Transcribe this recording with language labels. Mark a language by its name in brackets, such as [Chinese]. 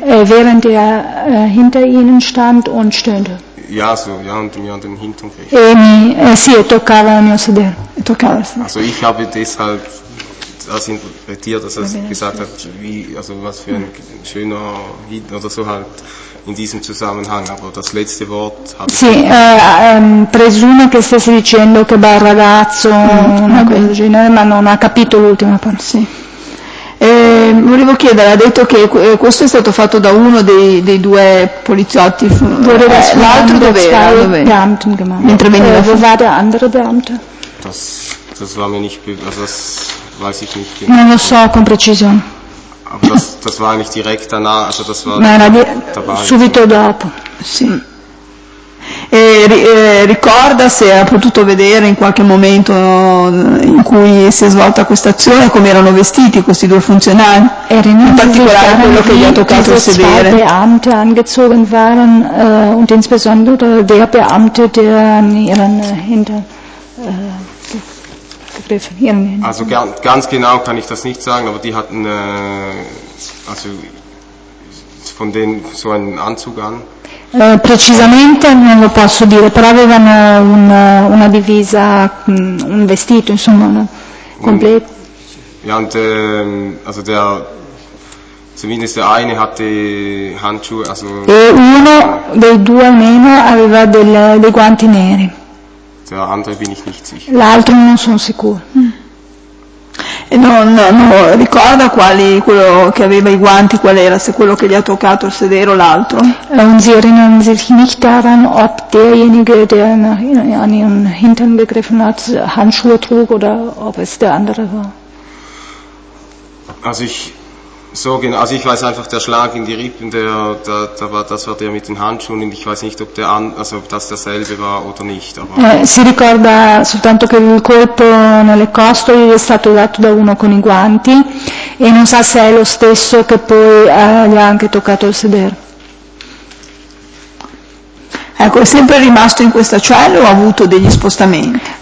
[German] Während er hinter ihnen stand und stöhnte. Ja, so, ja, und mir an den Hintern fecht. [Italian] Sì, e toccava al mio sedere. Toccava. [German] Also ich habe deshalb das interpretiert, dass er gesagt hat, wie, also was für ein schöner Hit oder so halt in diesem Zusammenhang, aber das letzte Wort habe [Italian] sì, [German] ich... [Italian] Presume che stesse dicendo che bel ragazzo, una cosa del genere, ma non ha capito l'ultima parte. Sì. Volevo chiedere, ha detto che questo è stato fatto da uno dei due poliziotti, l'altro dove [German] Beamten gemacht. [Italian] Mentre veniva [German] dove war der andere Beamte? Das war mir nicht, also das weiß ich nicht [Italian] genau. Non lo so con precisione. [German] Aber das war nicht direkt danach, also das war [Italian] Nein, subito dopo. Sì. E ricorda se ha potuto vedere in qualche momento in cui si è svolta questa azione come erano vestiti questi due funzionari, in particolare quello che gli ha toccato il sedere. [German] Zwei Beamte angezogen waren und insbesondere der Beamte, der an ihren Hintern gegriffen hat. Also ganz genau kann ich das nicht sagen, aber die hatten also von denen so einen Anzug an. [Italian] Precisamente non lo posso dire, però avevano una divisa, un vestito, insomma, no? Completo. [German] Ja, und also der zumindest der eine hatte Handschuhe, also [Italian] e uno dei due almeno aveva dei guanti neri. [German] Der andere bin ich nicht sicher. [Italian] L'altro non sono sicuro. E non ricorda quali quello che aveva i guanti, qual era, se quello che gli ha toccato il sedere o l'altro. [German] Und sie erinnern sich nicht daran, ob derjenige, der an ihren Hintern gegriffen hat, Handschuhe trug oder ob es der andere war. Also ich so genau, also ich weiß einfach, der Schlag in die Rippen, das war der mit den Handschuhen, und ich weiß nicht, ob ob das derselbe war oder nicht, aber [Italian] si ricorda soltanto che il colpo nelle costole gli è stato dato da uno con i guanti e non sa se è lo stesso che poi gli ha anche toccato il sedere. Ecco, è sempre rimasto in questa cella o ha avuto degli spostamenti?